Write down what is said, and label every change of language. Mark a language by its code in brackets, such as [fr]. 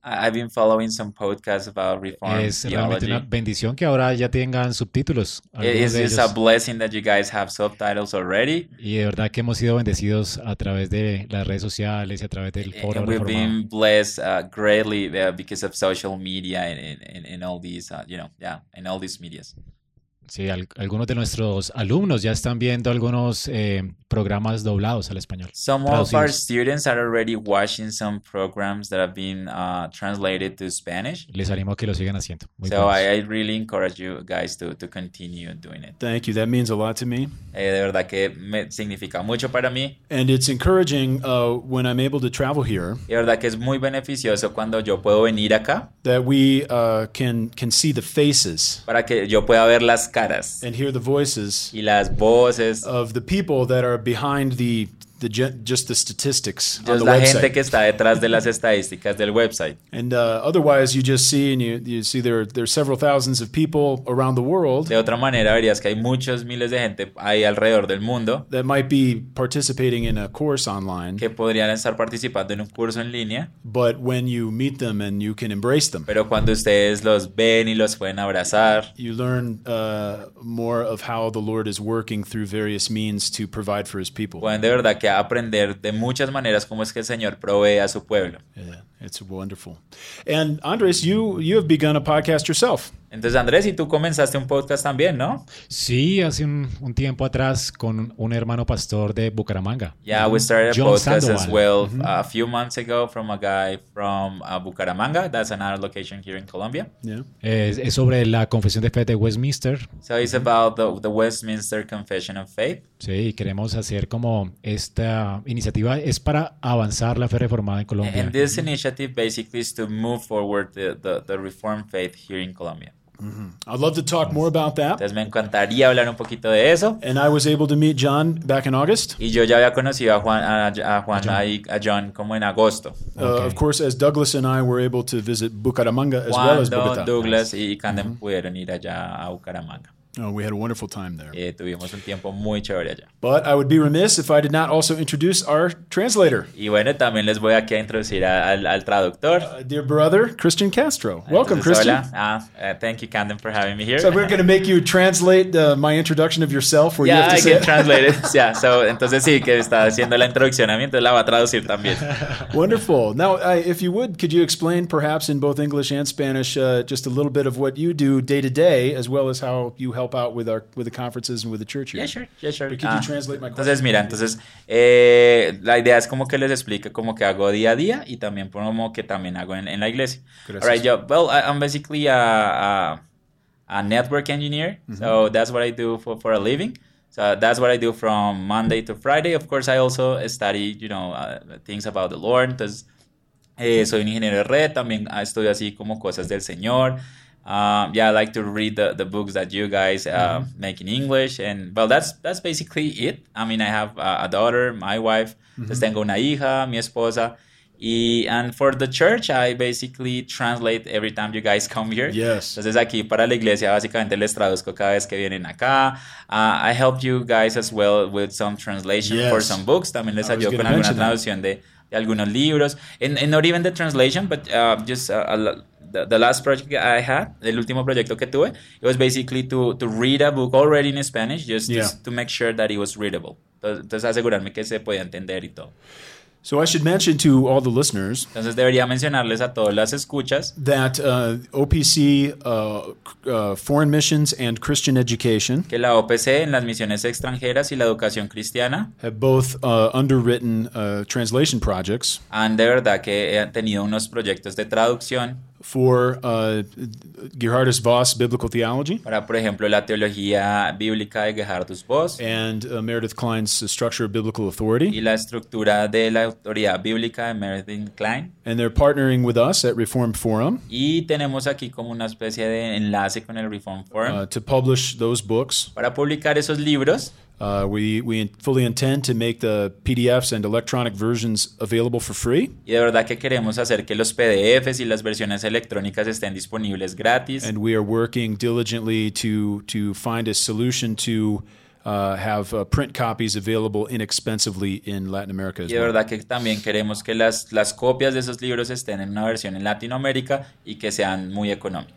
[en] I've been following some podcasts about Reform Theology. [es] Es realmente una bendición que ahora ya tengan subtítulos. [en] It's a blessing that you guys have subtitles already. [es] Y de verdad que hemos sido bendecidos a través de las redes sociales y a través del Foro Reformado. [en] We've been blessed greatly because of social media and all these, and all these medias. [es] Sí, algunos de nuestros alumnos ya están viendo algunos programas doblados al español. Some of our students are already watching some programs that have been translated to Spanish. Les animo a que lo sigan haciendo. Muy so buenos. [en] I really encourage you guys to continue doing it. Thank you. That means a lot to me. [es] De verdad que me significa mucho para mí. [en] And it's encouraging when I'm able to travel here. [es] De verdad que es muy beneficioso cuando yo puedo venir acá. [en] That we can see the faces. [es] Para que yo pueda ver las caras [en] and hear the voices [es] y las voces [en] of the people that are behind the statistics on the website. [es] La gente que está detrás de las estadísticas del website. [en] And otherwise you just see and you see there are several thousands of people around the world. [es] De otra manera verías que hay muchos miles de gente ahí alrededor del mundo [en] that might be participating in a course online. [es] Que podrían estar participando en un curso en línea. [en] But when you meet them and you can embrace them. [es] Pero cuando ustedes los ven y los pueden abrazar, [en] you learn more of how the Lord is working through various means to provide for his people. [es] Pueden de verdad que aprender de muchas maneras cómo es que el Señor provee a su pueblo. [en] Yeah, it's wonderful. And Andres, you have begun a podcast yourself. [es] Entonces Andrés, y tú comenzaste un podcast también, ¿no? Sí, hace un tiempo atrás con un hermano pastor de Bucaramanga. [en] Yeah, we started a John podcast Sandoval. As well mm-hmm. a few months ago from a guy from Bucaramanga. That's another location here in Colombia. Yeah. [es] Es sobre la confesión de fe de Westminster. [en] So it's about the Westminster Confession of Faith. [es] Sí, queremos hacer como esta iniciativa es para avanzar la fe reformada en Colombia. [en] And this initiative basically is to move forward the Reformed faith here in Colombia. Mm-hmm. I'd love to talk more about that. [es] Entonces me encantaría hablar un poquito de eso. [en] And I was able to meet John back in August. [es] Y yo ya había conocido a John como en agosto. [en] Okay. Of course, as Douglas and I were able to visit Bucaramanga as [es] Cuando [en] well as Bogotá. [es] Douglas nice. Y Candem mm-hmm. pudieron ir allá a Bucaramanga. [en] Oh, we had a wonderful time there. [es] Tuvimos un tiempo muy chévere allá. [en] But I would be remiss if I did not also introduce our translator. [es] Y bueno, también les voy aquí a introducir al traductor. [en] Dear brother, Christian Castro. Welcome, Christian. Hola. Thank you, Candem, for having me here. So we're going to make you translate my introduction of yourself, where yeah, you have to I say can it. Translate it. Yeah, so [es] entonces sí, que está haciendo la introducción a mí, entonces la va a traducir también. [en] Wonderful. Now, if you would, could you explain perhaps in both English and Spanish just a little bit of what you do day to day, as well as how you help out with the conferences and with the church here. Yeah, sure. But could you translate my question? [es] Entonces, mira, entonces, la idea es como que les explique como que hago día a día y también como que también hago en la iglesia. Gracias. [en] All right, yo, well, I'm basically a network engineer, mm-hmm. so that's what I do for a living. So that's what I do from Monday to Friday. Of course, I also study, things about the Lord. [es] Entonces, soy un ingeniero de red, también estudio así como cosas del Señor. [en] I like to read the books that you guys mm-hmm. make in English, and well, that's basically it. I mean, I have a daughter, my wife, mm-hmm. [es] tengo una hija, mi esposa, [en] and for the church, I basically translate every time you guys come here. Yes. [es] Entonces aquí para la iglesia básicamente les traduzco cada vez que vienen acá. [en] I help you guys as well with some translation yes. for some books. [es] También les ayudo con alguna traducción de algunos libros, [en] and not even the translation, but just The last project I had, [es] el último proyecto que tuve, [en] it was basically to read a book already in Spanish, just to make sure that it was readable. [es] Entonces asegurarme que se podía entender y todo. [en] So I should mention to all the listeners. [es] Entonces debería mencionarles a todas las escuchas [en] that OPC Foreign Missions and Christian Education. [es] Que la OPC en las misiones extranjeras y la educación cristiana [en] have both underwritten translation projects. [es] Han de verdad que han tenido unos proyectos de traducción. [en] For Gerhardus Voss Biblical Theology. [es] Para, por ejemplo, la teología bíblica de Gerhardus Voss. [en] And Meredith Klein's Structure of Biblical Authority. [es] Y la estructura de la autoridad bíblica de Meredith Klein. [en] And they're partnering with us at Reformed Forum. [es] Y tenemos aquí como una especie de enlace con el Reformed Forum. [en] To publish those books. [es] Para publicar esos libros. [en] We fully intend to make the PDFs and electronic versions available for free. [es] Y de verdad que queremos hacer que los PDFs y las versiones electrónicas estén disponibles gratis. [en] And we are working diligently to find a solution to have print copies available inexpensively in Latin America as [es] well. Y de verdad que también queremos que las copias de esos libros estén en una versión en Latinoamérica y que sean muy económicas.